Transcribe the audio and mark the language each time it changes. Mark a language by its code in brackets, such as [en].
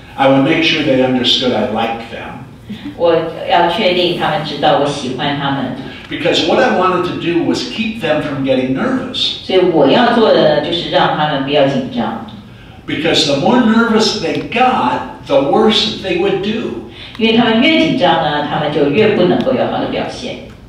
[en] I would make sure they understood I like them. [zh] 我要确定他们知道我喜欢他们。 [en] Because what I wanted to do was keep them from getting nervous. [zh] 所以我要做的就是让他们不要紧张。 [en] Because the more nervous they got, the worse they would do. [zh] 因为他们越紧张呢，他们就越不能够有好的表现。